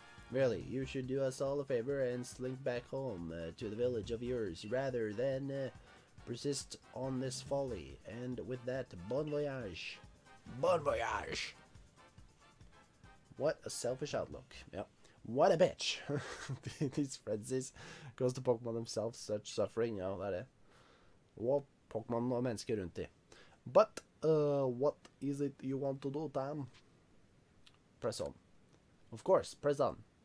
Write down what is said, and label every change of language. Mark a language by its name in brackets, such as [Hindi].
[English] Really, you should do us all a favor and slink back home to the village of yours, rather than persist on this folly. And with that, bon voyage. Bon voyage! What a selfish outlook. Yep. What a bitch! These frenzies cause the Pokemon themselves such suffering. [Norwegian] Ja, det er det. Og Pokemon og mennesker rundt dem. [English] But, what is it you want to do, Tam? Press on. Of course, press on.